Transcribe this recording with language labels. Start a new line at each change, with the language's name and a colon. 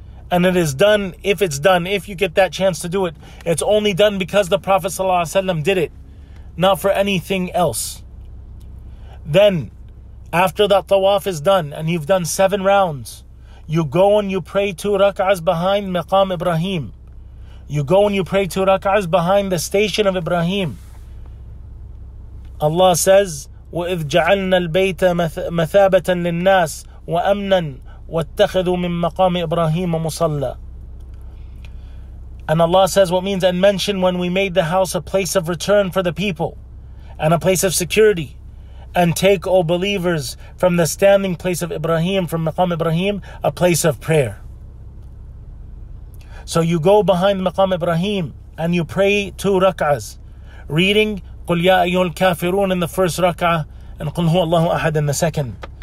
English: And it is done if it's done, if you get that chance to do it. It's only done because the Prophet ﷺ did it, not for anything else. Then, after that tawaf is done and you've done seven rounds, you go and you pray two rak'ahs behind Maqam Ibrahim. You go and you pray two rak'ahs behind the station of Ibrahim. Allah says,
Arabic: وَإِذْ جَعَلْنَا الْبَيْتَ مَثَابَةً لِلنَّاسِ وَأَمْنًا وَاتَّخِذُوا مِن مَقَامِ إِبْرَاهِيمَ مُصَلَّى.
English: And Allah says, what means, and mention when we made the house a place of return for the people and a place of security. And take, O believers, from the standing place of Ibrahim, from Maqam Ibrahim, a place of prayer. So you go behind Maqam Ibrahim and you pray two rak'ahs, reading
Arabic: قُلْ يَا أَيُّهُ الْكَافِرُونَ
English: in the first rak'ah, and
Arabic: قُلْ هُوَ اللَّهُ أَحَدٍ
English: in the second.